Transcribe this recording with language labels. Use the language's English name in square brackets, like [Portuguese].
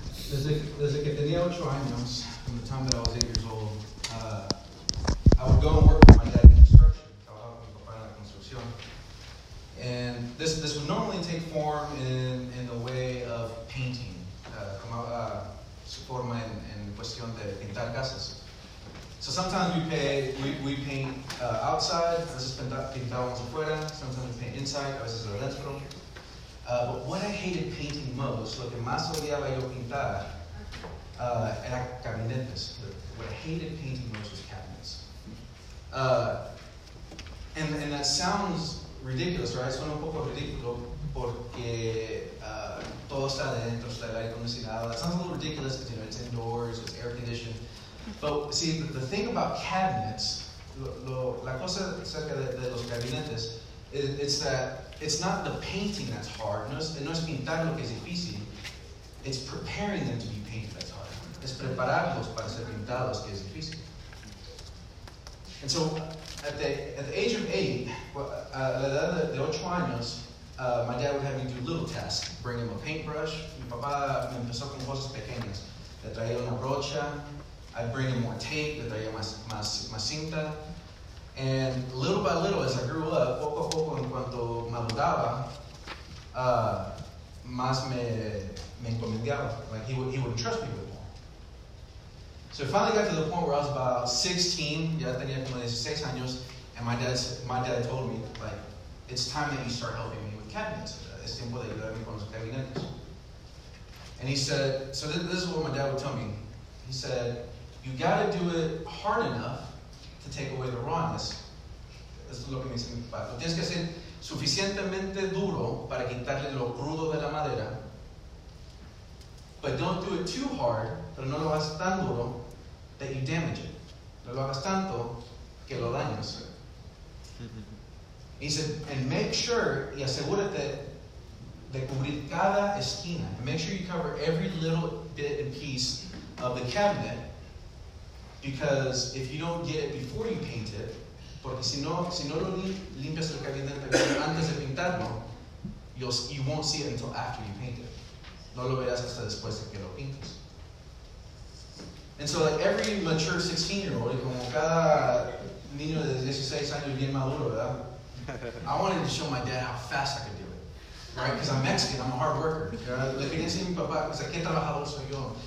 [Spanish] desde que tenía 8 años, [English] from the time that I was 8 years old, I would go and work with my dad in construction. [Spanish] Trabajaba con mi papá en la construcción. [English] And this would normally take form in the way of painting. [Spanish] Tomaba su forma en cuestión de pintar casas. [English] So sometimes we paint outside, [Spanish] a veces pintábamos afuera, [English] sometimes we paint inside, [Spanish] a veces adentro. [English] But what I hated painting most, [Spanish] lo que más odiaba yo pintar, era gabinetes. [English] What I hated painting most was cabinets. And that sounds ridiculous, right? [Spanish] Suena un poco ridículo porque todo está adentro, está el aire acondicionado. [English] That sounds a little ridiculous because, you know, it's indoors, it's air conditioned. But see, the thing about cabinets, [Spanish] la cosa acerca de los gabinetes, [English] it's that it's not the painting that's hard. [Spanish] No es pintar lo que es difícil. [English] It's preparing them to be painted that's hard. [Spanish] Es prepararlos para ser pintados que es difícil. [English] And so, at the age of 8, [Spanish] a la edad de 8 años, [English] my dad would have me do little tasks. Bring him a paintbrush. [Spanish] Mi papá me empezó con cosas pequeñas. Le traía una brocha. [English] I'd bring him more tape, [Spanish] le traía más cinta. [English] And little by little, as I grew up, [Spanish] poco a poco, en cuanto maduraba, más me encomendaba. [English] Like, he wouldn't trust me anymore. So it finally got to the point where I was about 16, [Spanish] ya tenía como 16 años, [English] and my dad told me, like, it's time that you start helping me with cabinets. [Spanish] Es tiempo de ayudar a mi con los cabinetes. [English] And he said, so this is what my dad would tell me. He said, you gotta do it hard enough to take away the rawness. [Spanish] Esto es lo que me dice mi papá. Lo tienes que hacer suficientemente duro para quitarle lo crudo de la madera. [English] But don't do it too hard, [Spanish] pero no lo hagas tan duro [English] that you damage it. [Spanish] No lo hagas tanto que lo dañes. [English] He said, and make sure, [Spanish] y asegúrate de cubrir cada esquina. [English] And make sure you cover every little bit and piece of the cabinet. Because if you don't get it before you paint it, [Spanish] porque si no lo limpias el gabinete antes de pintarlo, [English] you won't see it until after you paint it. [Spanish] No lo verás hasta después de que lo pintes. [English] And so, like every mature 16-year-old, [Spanish] como cada niño de 16 años bien maduro, ¿verdad? [English] I wanted to show my dad how fast I could do it, right? Because I'm Mexican, I'm a hard worker. [Spanish] Le quería decir a mi papá, o sea, qué trabajador soy yo.